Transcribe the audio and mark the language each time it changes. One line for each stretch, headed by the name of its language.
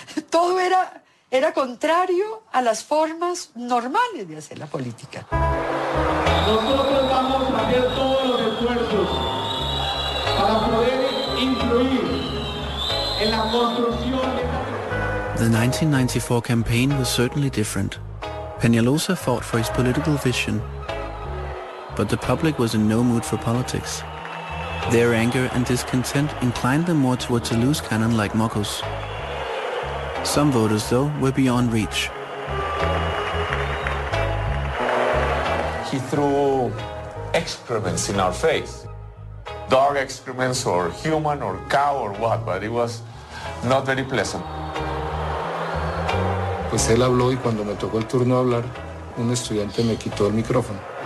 Spanish: Todo era contrario a las formas normales de hacer la política. Nosotros vamos a hacer todos los esfuerzos para poder incluir en la construcción de...
English: The 1994 campaign was certainly different. Peñalosa fought for his political vision, but the public was in no mood for politics. Their anger and discontent inclined them more towards a loose cannon like Mocos. Some voters, though, were beyond reach. He threw excrements in our face. Dog excrements, or human, or cow, or what, but it was not very pleasant.
Spanish: Pues él habló y cuando me tocó el turno de hablar, un estudiante me quitó el micrófono.